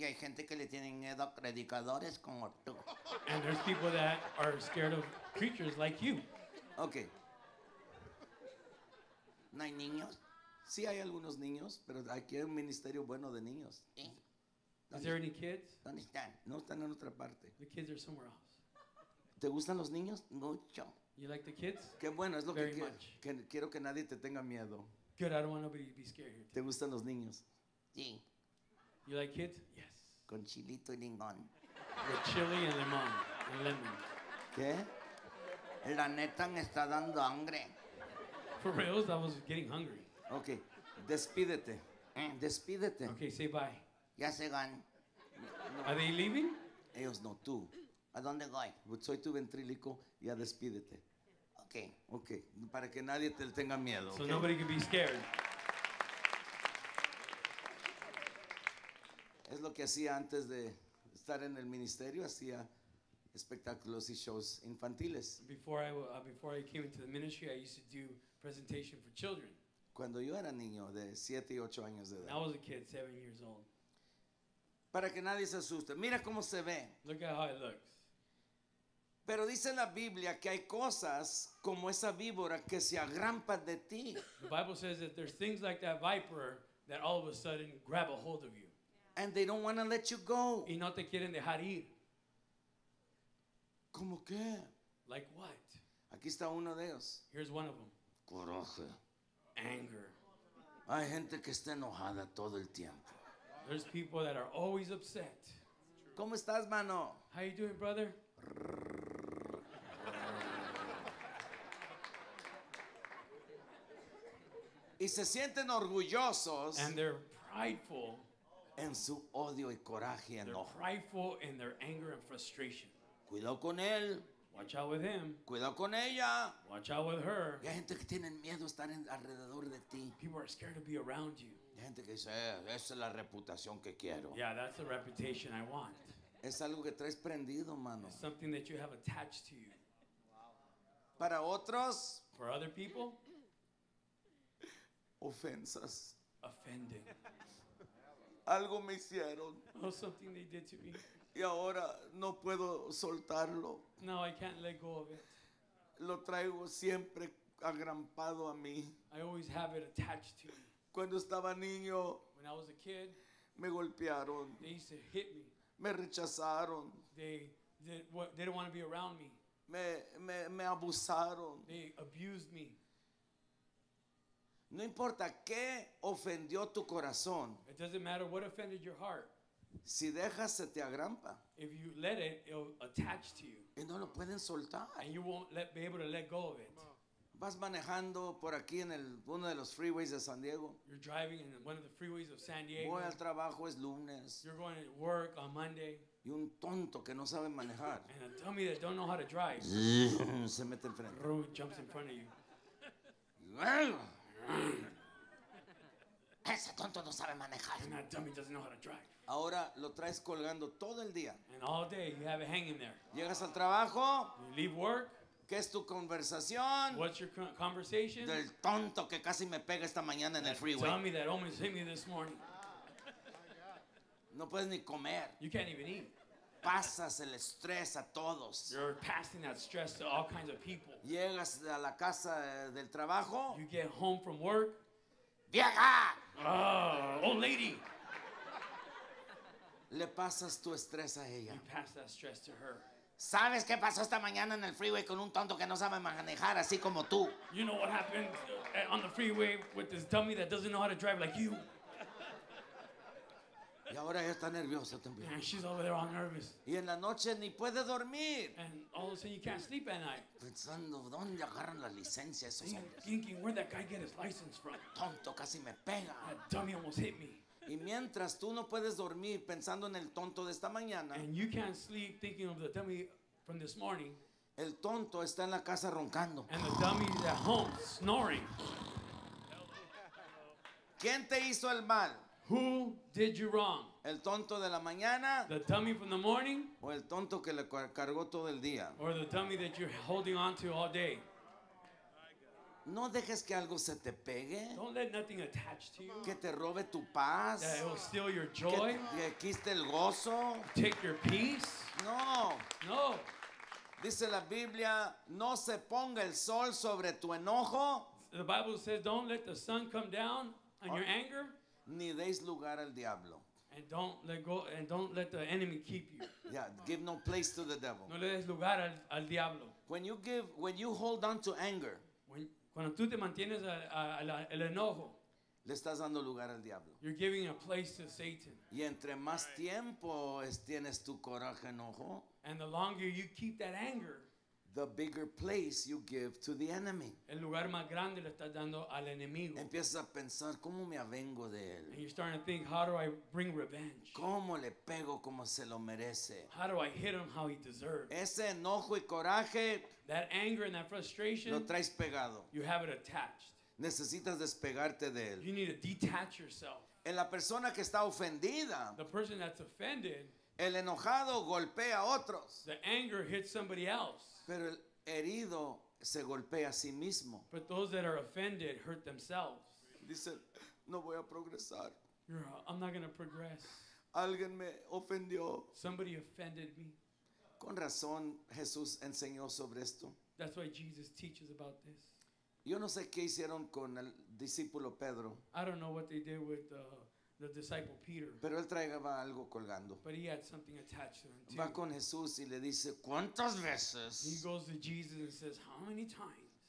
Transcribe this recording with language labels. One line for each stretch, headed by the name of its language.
Spanish: Y hay gente que le tiene miedo a predicadores como tú.
English: And there's people that are scared of creatures like you. Ok.
Spanish: ¿No hay niños? Sí hay algunos niños, pero aquí hay un ministerio bueno de niños. Sí.
English: Is there any kids?
Spanish: ¿Dónde están? No están en otra parte.
English: The kids are somewhere else.
Spanish: ¿Te gustan los niños? Mucho.
English: You like the kids?
Spanish: Qué bueno, es lo
English: very
Spanish: que quiero. Que quiero que nadie te tenga miedo.
English: Good, I don't want nobody to be scared here.
Spanish: ¿Te gustan los niños? Sí.
English: You like kids? Yes.
Spanish: Con chilito y limón.
English: With chili and limón. And lemon.
Spanish: ¿Qué? La neta me está dando hambre.
English: For reals, I was getting hungry.
Spanish: Okay, despídete. Despídete.
English: Okay, say bye.
Spanish: Ya se van.
English: Are they leaving?
Spanish: Ellos no, tú. ¿A dónde voy? Soy tu ventrílico, ya despídete.
English: Okay.
Spanish: Okay, para que nadie te tenga miedo.
English: So nobody can be scared.
Spanish: Es lo que hacía antes de estar en el ministerio, hacía espectáculos y shows infantiles.
English: Before I came into the ministry, I used to do presentation for children.
Spanish: Cuando yo era niño de 7 y 8 años de edad.
English: I was a kid, 7 years old.
Spanish: Para que nadie se asuste. Mira cómo se ve.
English: Look at how it looks.
Spanish: Pero dice la Biblia que hay cosas como esa víbora que se agrampa de ti.
English: The Bible says that there's things like that viper that all of a sudden grab a hold of you. And they don't want to let you go.
Spanish: Y no te quieren dejar ir. ¿Cómo qué?
English: Like what?
Spanish: Aquí está uno de ellos.
English: Here's one of them.
Spanish: Coraje.
English: Anger.
Spanish: Hay gente que está enojada todo el tiempo.
English: There's people that are always upset.
Spanish: ¿Cómo estás, mano?
English: How you doing, brother?
Spanish: Y se sienten orgullosos.
English: And they're prideful.
Spanish: En su odio y coraje y enojo.
English: They're prideful in their anger and frustration.
Spanish: Cuidado con él.
English: Watch out with him.
Spanish: Cuidado con ella.
English: Watch out with her.
Spanish: Y hay gente que tiene miedo estar alrededor de ti.
English: People are scared to be around you.
Spanish: Y hay gente que dice, esa es la reputación que quiero.
English: Yeah, that's the reputation I want.
Spanish: Es algo que traes prendido, mano.
English: It's something that you have attached to you.
Spanish: Para otros.
English: For other people.
Spanish: Ofensas.
English: Offending.
Spanish: Algo me hicieron.
English: Oh, something they did to me.
Spanish: Y ahora no puedo soltarlo.
English: Now I can't let go of it.
Spanish: Lo traigo siempre agrampado a mí.
English: I always have it attached to me.
Spanish: Cuando estaba niño,
English: when I was a kid,
Spanish: me golpearon.
English: They used to hit me.
Spanish: Me rechazaron.
English: They didn't want to be around me.
Spanish: Me abusaron.
English: They abused me.
Spanish: No importa qué ofendió tu corazón.
English: It doesn't matter what offended your heart.
Spanish: Si dejas, se te agrampa.
English: If you let it, it'll attach to you.
Spanish: Y no lo pueden soltar.
English: And you won't be able to let go of it.
Spanish: Vas manejando por aquí en uno de los freeways de San Diego.
English: You're driving in one of the freeways of San Diego.
Spanish: Voy al trabajo, es lunes.
English: You're going to work on Monday.
Spanish: Y un tonto que no sabe manejar.
English: And a dummy that don't know how to drive.
Spanish: Se mete enfrente.
English: Road jumps in front of you.
Spanish: Ese tonto no sabe manejar.
English: And that dummy doesn't know how to drive.
Spanish: Ahora lo traes colgando todo el día.
English: And all day you have it hanging there.
Spanish: Llegas al trabajo.
English: You leave work.
Spanish: ¿Qué es tu conversación?
English: What's your conversation?
Spanish: Del tonto que casi me pega esta mañana en el freeway.
English: Tell me that almost hit me this morning.
Spanish: No puedes ni comer.
English: You can't even eat.
Spanish: Pasas el estrés a todos.
English: You're passing that stress to all kinds of people.
Spanish: Llegas a la casa del trabajo.
English: You get home from work.
Spanish: ¡Vieja!
English: Oh, old lady.
Spanish: Le pasas tu estrés a ella.
English: You pass that stress to her.
Spanish: ¿Sabes qué pasó esta mañana en el freeway con un tonto que no sabe manejar así como tú?
English: You know what happened on the freeway with this dummy that doesn't know how to drive like you.
Spanish: Y ahora ella está nerviosa también.
English: And she's over there all nervous.
Spanish: Y en la noche ni puede dormir.
English: And all of a sudden you can't sleep at night.
Spanish: Pensando, ¿dónde agarran la licencia esos hombres?
English: Thinking, where'd that guy get his license from?
Spanish: Tonto casi me pega.
English: That dummy almost hit me.
Spanish: Y mientras tú no puedes dormir pensando en el tonto de esta mañana,
English: and you can't sleep thinking of the dummy from this morning,
Spanish: el tonto está en la casa roncando.
English: And the dummy is at home snoring.
Spanish: ¿Quién te hizo el mal?
English: Who did you wrong?
Spanish: ¿El tonto de la mañana?
English: The dummy from the morning?
Spanish: ¿O el tonto que le cargó todo el día?
English: Or the dummy that you're holding on to all day?
Spanish: No dejes que algo se te pegue.
English: Don't let nothing attach to you.
Spanish: Que te robe tu paz.
English: That it will steal your joy.
Spanish: Que quiste el gozo.
English: Take your peace.
Spanish: No.
English: No.
Spanish: Dice la Biblia, no se ponga el sol sobre tu enojo.
English: The Bible says, don't let the sun come down on your anger.
Spanish: Ni deis lugar al diablo.
English: And don't let go. And don't let the enemy keep you. Yeah, give no place to the devil.
Spanish: No le des lugar al diablo.
English: When you hold on to anger.
Spanish: Cuando tú te mantienes el enojo, le estás dando lugar al diablo.
English: You're giving a place to Satan.
Spanish: Y entre más
English: right.
Spanish: tiempo tienes tu coraje enojo,
English: and the longer you keep that anger, the bigger place you give to the enemy.
Spanish: El lugar más grande le estás dando al enemigo. Empiezas a pensar cómo me avengo de él.
English: And you're starting to think, how do I bring revenge?
Spanish: ¿Cómo le pego como se lo merece?
English: How do I hit him how he deserves?
Spanish: Ese enojo y coraje,
English: that anger and that frustration,
Spanish: lo traes pegado.
English: You have it attached.
Spanish: Necesitas despegarte de él.
English: You need to detach yourself.
Spanish: En la persona que está ofendida,
English: the person that's offended,
Spanish: el enojado golpea a otros.
English: The anger hits somebody else.
Spanish: Pero el herido se golpea a sí mismo.
English: But those that are offended hurt themselves.
Spanish: Dice, no voy a progresar.
English: I'm not going to progress.
Spanish: Alguien me ofendió.
English: Somebody offended me.
Spanish: Con razón Jesús enseñó sobre esto.
English: That's why Jesus teaches about this.
Spanish: Yo no sé qué hicieron con el discípulo Pedro.
English: I don't know what they did with the disciple Peter.
Spanish: Pero él traía algo colgando.
English: But he had something attached to him too.
Spanish: Va con Jesús y le dice, ¿cuántas veces?
English: He goes to Jesus and says, how many times?